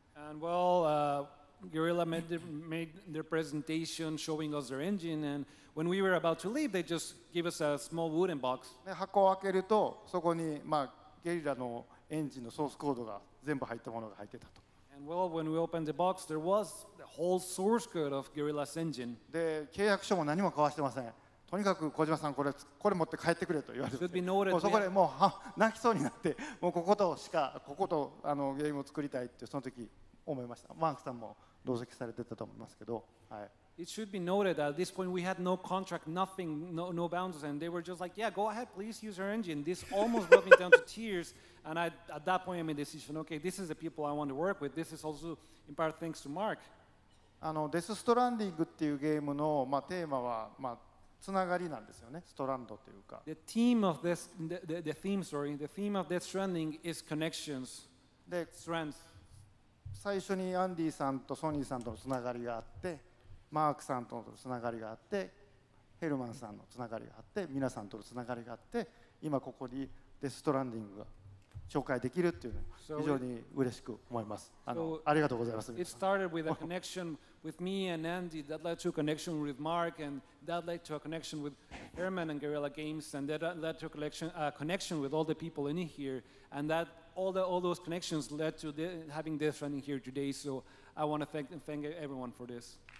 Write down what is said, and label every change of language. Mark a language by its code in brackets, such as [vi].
[en] And well, Gorilla made their presentation showing us their engine, and when we were about to leave, they just gave us a small wooden box. [ja] で箱を開けるとそこにまあゲリラのエンジンのソースコードが全部入ったものが入ってたと。 [en] And well, when we opened the box, there was the whole source code of Gorilla's engine. [ja] で契約書も何も交わしてません。とにかく小島さんこれ持って帰ってくれと言われて、もうそこでもう泣きそうになって、もうこことゲームを作りたいってその時思いました。マークさんも同席されてたと思いますけど、はい。 [en] It should be noted that at this point we had no contract, nothing, no bounds, and they were just like, yeah, go ahead, please use our engine. This almost brought me down to tears, and I at that point I made a decision. Okay, this is the people I want to work with. This is also in part thanks to Mark. [ja] デスストランディングっていうゲームのまあテーマはまあ。つながりなんですよね、ストランドというか。 [en] The theme of this, the theme of Death Stranding is connections. [ja] で、 [en] strength. [ja] 最初にアンディさんとソニーさんとのつながりがあって、マークさんとのつながりがあって、ヘルマンさんのつながりがあって、皆さんとのつながりがあって、今ここにデスストランディングが紹介できるっていうのは非常に嬉しく思います。ありがとうございます。 [en] It started with a connection with me and Andy that led to a connection with Mark and that led to a connection with Herman and Guerrilla Games and that led to a connection with all the people in here and that all those connections led to having this running here today. So I want to thank everyone for this.